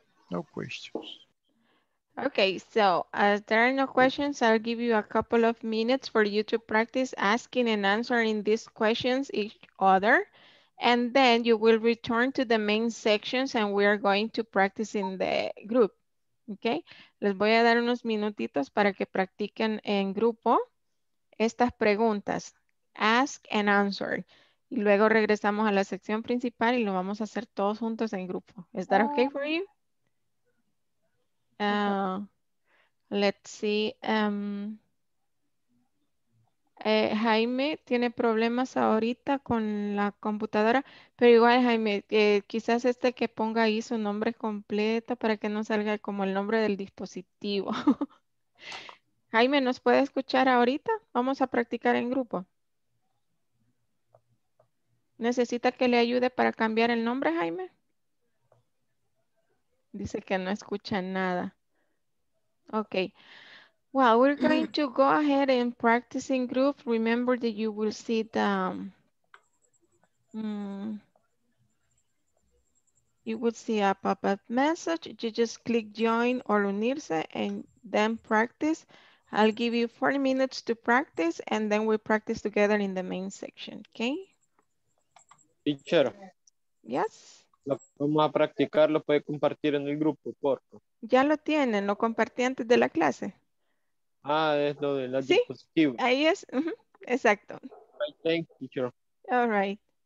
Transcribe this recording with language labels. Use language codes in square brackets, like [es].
[en] No questions. Okay, so as there are no questions, I'll give you a couple of minutes for you to practice asking and answering these questions each other. And then you will return to the main sections and we are going to practice in the group. [es] Okay, les voy a dar unos minutitos para que practiquen en grupo estas preguntas. [en] Ask and answer. [es] Y luego regresamos a la sección principal y lo vamos a hacer todos juntos en grupo. [en] Is that okay for you? Let's see. [es] Jaime tiene problemas ahorita con la computadora, pero igual Jaime, quizás este que ponga ahí su nombre completo para que no salga como el nombre del dispositivo. Jaime, ¿nos puede escuchar ahorita? Vamos a practicar en grupo. ¿Necesita que le ayude para cambiar el nombre, Jaime? Dice que no escucha nada. [en] Okay, well, we're going to go ahead and practice in group. Remember that you will see the, you will see a pop-up message. You just click join or unirse and then practice. I'll give you 40 minutes to practice and then we'll practice together in the main section, okay? Teacher. Yes. [es] Vamos a practicar, lo puede compartir en el grupo, por favor. Ya lo tienen, lo compartí antes de la clase. Ah, es lo de la dispositiva. Sí, ahí es, exacto. [en] Thank you, teacher. All right.